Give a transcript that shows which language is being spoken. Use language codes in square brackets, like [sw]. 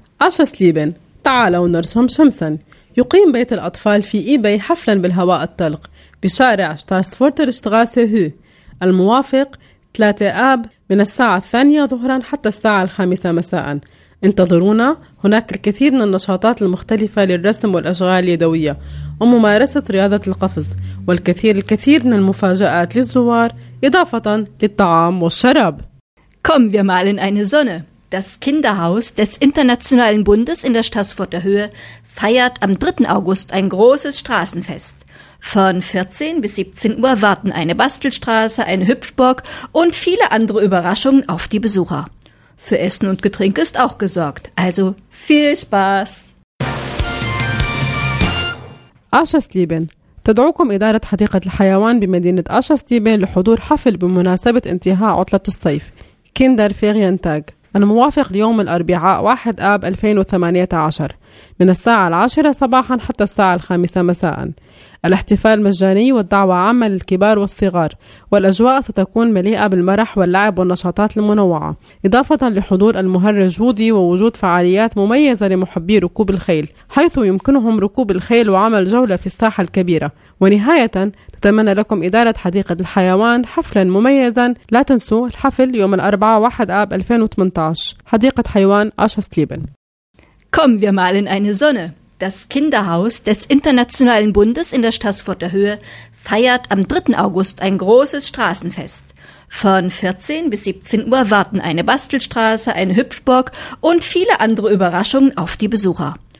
[ar] أشخاص ليبن تعالوا ونرسم شمسا. يقيم بيت الأطفال في إيباي حفلا بالهواء الطلق بشارع شتاسفورتر شتغاسة هو الموافق 3 آب من الساعة 2 ظهرا حتى الساعة 5 مساء. انتظرونا، هناك الكثير من النشاطات المختلفة للرسم والأشغال اليدوية وممارسة رياضة القفز والكثير الكثير من المفاجآت للزوار إضافة للطعام والشراب. [de] Kommen wir mal in eine Sonne. Das Kinderhaus des Internationalen Bundes in der Staatsfurter Höhe feiert am 3. August ein großes Straßenfest. Von 14 bis 17 Uhr warten eine Bastelstraße, eine Hüpfburg und viele andere Überraschungen auf die Besucher. Für Essen und Getränke ist auch gesorgt. Also viel Spaß! [ar] Aschers Lieben, تدعوكم إدارة حديقة الحيوان بمدينة Aschers Lieben لحضور حفل بمناسبة انتهاء عطلة الصيف. كيندر فيغينتاج الموافق اليوم الأربعاء 1 آب 2018 من الساعة 10 صباحا حتى الساعة 5 مساء. الاحتفال مجاني والدعوة عامة للكبار والصغار، والأجواء ستكون مليئة بالمرح واللعب والنشاطات المنوعة، إضافة لحضور المهرج وودي ووجود فعاليات مميزة لمحبي ركوب الخيل، حيث يمكنهم ركوب الخيل وعمل جولة في الساحة الكبيرة. ونهاية، تتمنى لكم إدارة حديقة الحيوان حفلا مميزا. لا تنسوا الحفل يوم الأربعاء 1 آب 2018 حديقة حيوان Aschers Lieben. [de] Kommen wir mal in eine Sonne. Das Kinderhaus des Internationalen Bundes in der Staatsfurter Höhe feiert am 3. August ein großes Straßenfest. Von 14 bis 17 Uhr warten eine Bastelstraße, eine Hüpfburg und viele andere Überraschungen auf die Besucher.